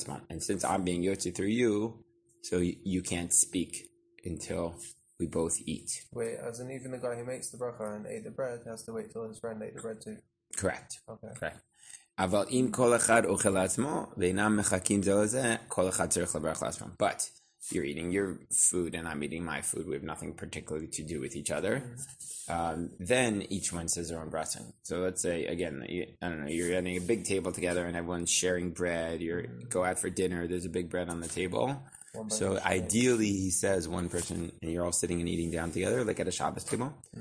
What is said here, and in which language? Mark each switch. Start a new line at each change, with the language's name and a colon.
English: And since I'm being yotzei through you, so you can't speak until we both eat. Wait, as in even the guy who makes the bracha and ate the bread has to wait till his friend ate the bread too? Correct. Okay. Correct.
Hebrew: אבל אם כל אחד אוכל לעצמו, ואינם מחכים זה לזה, כל אחד צריך לברך לעצמו.
English: But you're eating your food and I'm eating my food. We have nothing particularly to do with each other. Then each one says their own blessing. So let's say, again, you're getting a big table together and everyone's sharing bread. You go out for dinner. There's a big bread on the table. So ideally, he says one person, and you're all sitting and eating down together, like at a Shabbos table.